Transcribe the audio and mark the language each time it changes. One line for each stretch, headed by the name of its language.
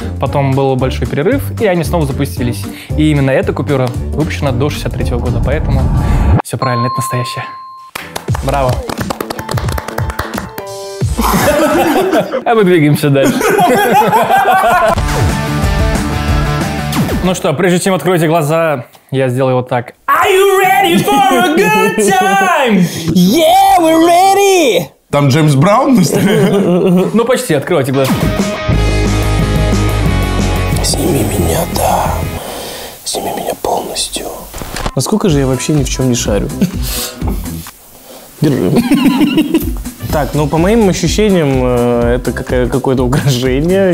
Russian: Потом был большой перерыв, и они снова запустились. И именно эта купюра выпущена до 63-го года. Поэтому все правильно, это настоящее. Браво. А мы двигаемся дальше. Ну что, прежде чем откроете глаза, я сделаю вот так.
English: Are you ready for a good time? Yeah, we're ready!
Russian: Там Джеймс Браун? Ну почти, открывайте глаза. Сними меня, да. Сними меня полностью. Насколько же я вообще ни в чем не шарю? Держи. Так, ну, по моим ощущениям, это какое-то угрожение.